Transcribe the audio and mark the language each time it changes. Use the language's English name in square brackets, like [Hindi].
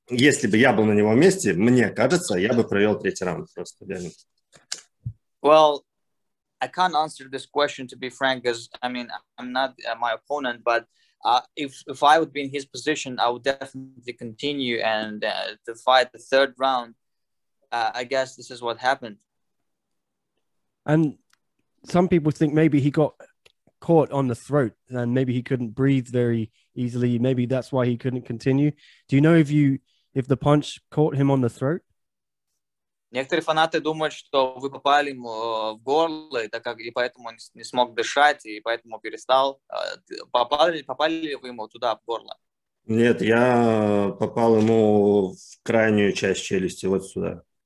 [Russian] Если бы я был на его месте, мне кажется, я бы провел третий раунд просто. [English] Well, I can't answer this question, to be frank, because, I mean, I'm not my opponent, but if I would be in his position, I would definitely continue and to fight the third round. I guess this is what happened. And some people think maybe he got caught on the throat and maybe he couldn't breathe very easily. Maybe that's why he couldn't continue. Do you know if the punch caught him on the throat? [Russian] Некоторые фанаты думают, что вы попали ему в горло, так как и поэтому он не смог дышать, и поэтому перестал. Попали ли вы ему туда, в горло? Нет, я попал ему в крайнюю часть челюсти, вот сюда.